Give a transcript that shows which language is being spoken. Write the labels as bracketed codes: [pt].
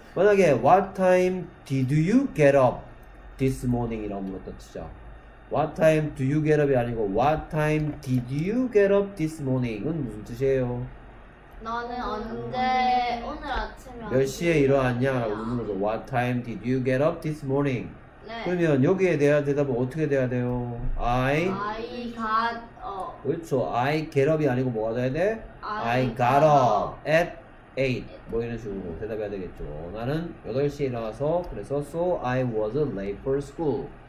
[ko] 만약에 [en] What time did you get up this morning? [ko] 이라고 물었다 치자. [en] What time do you get up이 아니고 What time did you get up this morning은 [ko] 무슨 뜻이에요? 너는 언제 오늘 아침에 몇 시에 일어났냐? 라고 묻는 거죠. [en] What time did you get up this morning? [ko] 네. 그러면 여기에 대한 대답은 어떻게 돼야 돼요? [en] I got up. [ko] 그렇죠. [en] I get up [ko] 이 아니고 뭐가 돼야 돼? [en] I got up at 8. [ko] 뭐 이런 식으로 대답해야 되겠죠. 나는 8시에 일어나서 그래서 [en] So I was late for school.